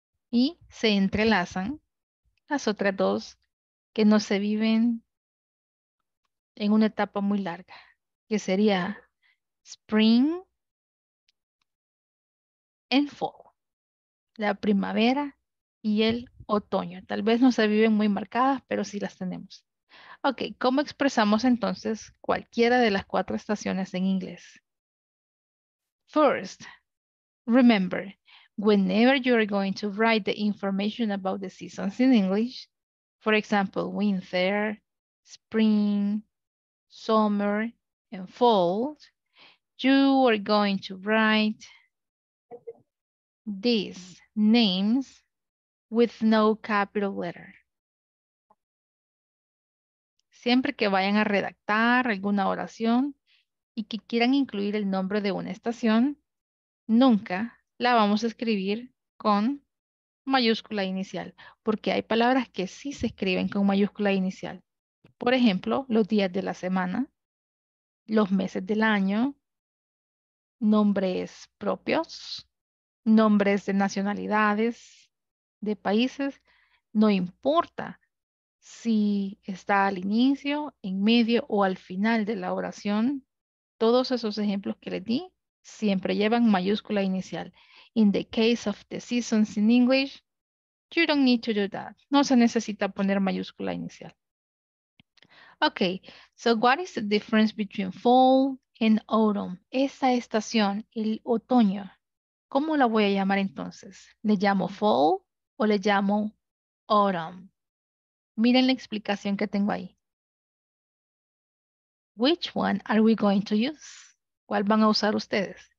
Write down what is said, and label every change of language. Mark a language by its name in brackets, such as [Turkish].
[Spanish] Y se entrelazan las otras dos que no se viven en una etapa muy larga, que sería [English] spring and fall, [Spanish] la primavera y el otoño. Tal vez no se viven muy marcadas, pero sí las tenemos. Ok, ¿cómo expresamos entonces cualquiera de las cuatro estaciones en inglés? [English] First, remember, whenever you are going to write the information about the seasons in English, For example, winter, spring, summer, and fall. You are going to write these names with no capital letter. [Spanish] Siempre que vayan a redactar alguna oración y que quieran incluir el nombre de una estación, nunca la vamos a escribir con mayúscula inicial, porque hay palabras que sí se escriben con mayúscula inicial. Por ejemplo, los días de la semana, los meses del año, nombres propios, nombres de nacionalidades, de países, no importa si está al inicio, en medio o al final de la oración, todos esos ejemplos que les di siempre llevan mayúscula inicial. In the case of the seasons in English, you don't need to do that. No se necesita poner mayúscula inicial. [English] Okay, so what is the difference between fall and autumn? [Spanish] Esa estación, el otoño, ¿cómo la voy a llamar entonces? ¿Le llamo fall o le llamo autumn? Miren la explicación que tengo ahí. [English] Which one are we going to use? [Spanish] ¿Cuál van a usar ustedes?